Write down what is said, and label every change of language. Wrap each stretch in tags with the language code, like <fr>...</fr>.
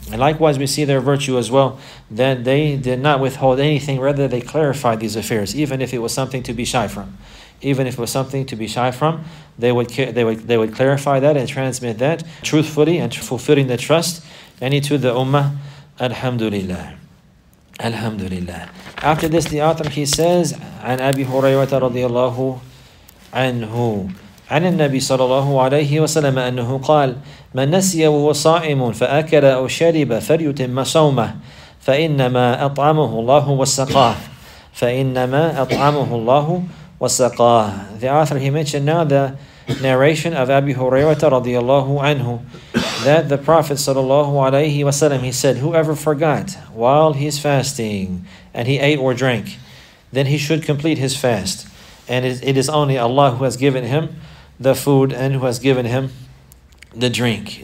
<en>And likewise, we see their virtue as well, that they did not withhold anything, rather they clarified these affairs, even if it was something to be shy from. Even if it was something to be shy from, they would clarify that and transmit that truthfully and fulfilling the trust any to the ummah. Alhamdulillah. Alhamdulillah. After this, the author, he says,</en> <ar>عن أبي هريرة رضي الله عنه عن النبي صلى الله عليه وسلم أنه قال من نسي وهو صائم فأكل أو شرب فليتم صومه فإنما أطعمه الله وسقاه فإنما أطعمه الله وَسَقَاهُ.</ar> <en>The author, he mentioned now the narration of Abu Hurairah radiallahu anhu, that the Prophet sallallahu alayhi wa sallam, he said, whoever forgot while he's fasting and he ate or drank, then he should complete his fast. And it is only Allah who has given him the food and who has given him the drink.</en>